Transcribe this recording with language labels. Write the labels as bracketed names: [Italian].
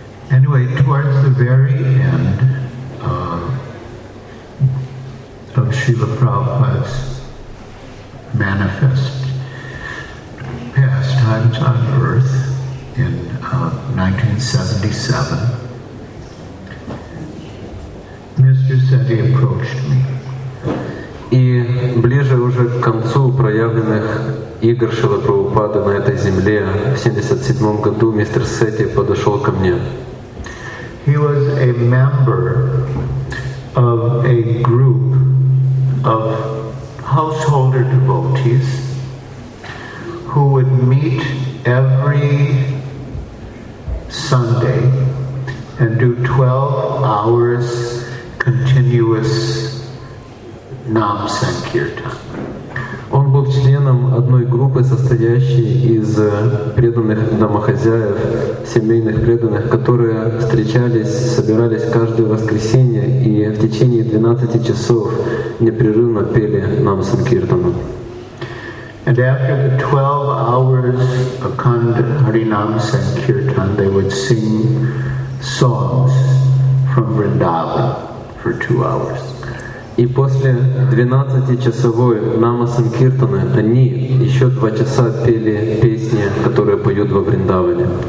[English] Anyway, towards the very end of Srila Prabhupada's manifest pastimes on earth in 1977, Mr. Sethi approached me. [Russian] И ближе уже к концу проявленных игр Шрилы Прабхупады на этой земле, в 77 году мистер Сети подошел ко мне. [English] He was a member of a group of householder devotees who would meet every Sunday and do 12 hours continuous Нам Санкиртан. [Russian] Он был членом одной группы, состоящей из преданных домохозяев, семейных преданных, которые встречались, собирались каждое воскресенье и в течение 12 часов непрерывно пели Нам Санкиртану. [English] And after the 12 hours of Kand Harinam Sankirtan, they would sing songs from Vrindavan for 2 hours. [Russian] И после 12-часовой нама санкиртаны они еще 2 часа пели песни, которые поют во Вриндаване.